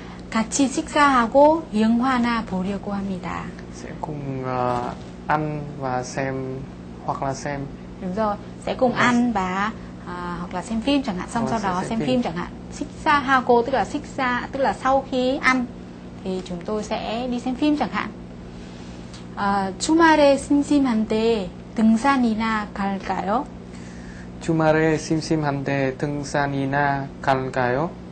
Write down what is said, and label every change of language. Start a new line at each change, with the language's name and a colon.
Korean: 같이 식사하고 영화나 보려고 합니다.
Vietnamese: Sẽ cùng ăn và xem hoặc là xem. Đúng rồi, sẽ cùng ăn và hoặc là xem phim chẳng hạn, xong sau đó xem phim chẳng hạn. 식사하고 tức là sau khi ăn thì chúng tôi sẽ đi xem phim chẳng hạn.
Korean: 주말에 심심한데 등산이나 갈까요? 주말에 심심한데 등산이나 갈까요?